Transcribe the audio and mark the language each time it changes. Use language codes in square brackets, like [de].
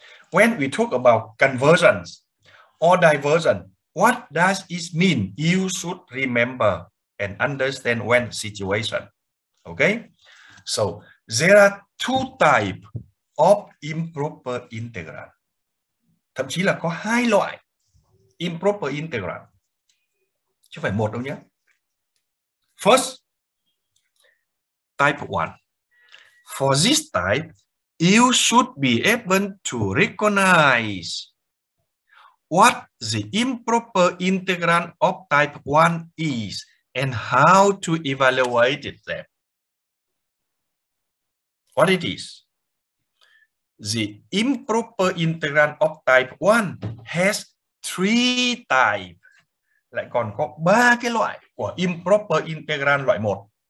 [en] When we talk about convergence or divergence, what does it mean? You should remember and understand when situation. Okay? So there are two types of improper integrand. [vi] Thậm chí là có hai loại improper integrand. Chứ phải một đâu nhé. [en] First, type one. For this type, you should be able to recognize what the improper integrand of type one is and how to evaluate it there. What it is? The improper integrand of type 1 has three types. [vi] Lại còn có ba cái loại của improper integrand loại 1.